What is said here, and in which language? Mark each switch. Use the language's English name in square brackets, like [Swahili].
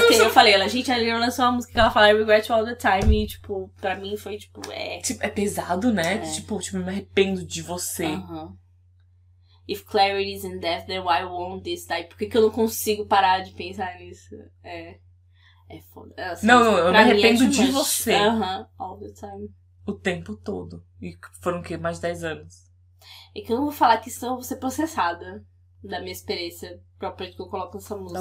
[Portuguese] Falei, gente, a Lira lançou uma música que ela fala [English] I regret you all the time [Portuguese] e, tipo, pra mim foi, tipo, é... Tipo, é pesado, né? É. Tipo, eu me arrependo de você. Uh-huh. [English] If clarity is in death, then why won't this die? [Portuguese] Por que que eu não consigo parar de pensar nisso? É... É foda. Assim, não, eu me arrependo de você. [English] Uh-huh. All the time. [Portuguese] O tempo todo. E foram o quê? Mais de 10 anos. É que eu não vou falar que estou ser processada da minha experiência própria que eu coloco nessa música.